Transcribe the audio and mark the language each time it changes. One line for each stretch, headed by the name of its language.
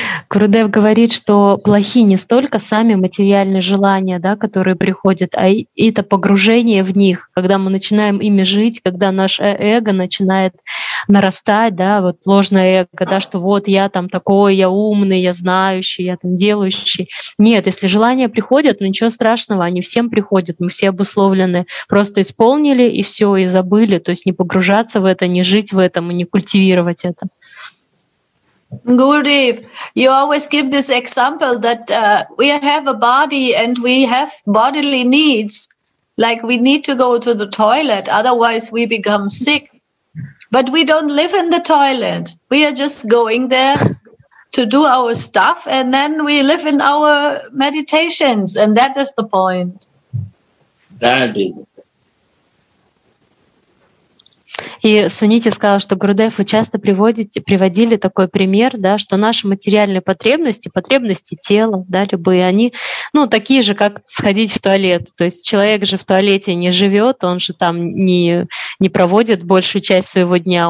Russian: Гурудев говорит, что плохи не столько сами материальные желания, да, которые приходят, а это погружение в них, когда мы начинаем ими жить, когда наше эго начинает нарастать, да, вот ложное эго, да, что вот я там такой, я умный, я знающий, я там делающий. Нет, если желания приходят, ну ничего страшного, они всем приходят, мы все обусловлены, просто исполнили и все, и забыли, то есть не погружаться в это, не жить в этом и не культивировать это.
English: Gurudev, you always give this example that we have a body and we have bodily needs, like we need to go to the toilet, otherwise we become sick. But we don't live in the toilet. We are just going there to do our stuff and then we live in our meditations, and that is the point. That is.
Russian: И Суните сказала, что Гурудев, вы часто приводили такой пример, да, что наши материальные потребности, потребности тела, да, любые, они, ну, такие же, как сходить в туалет. То есть человек же в туалете не живет, он же там не проводит большую часть своего дня.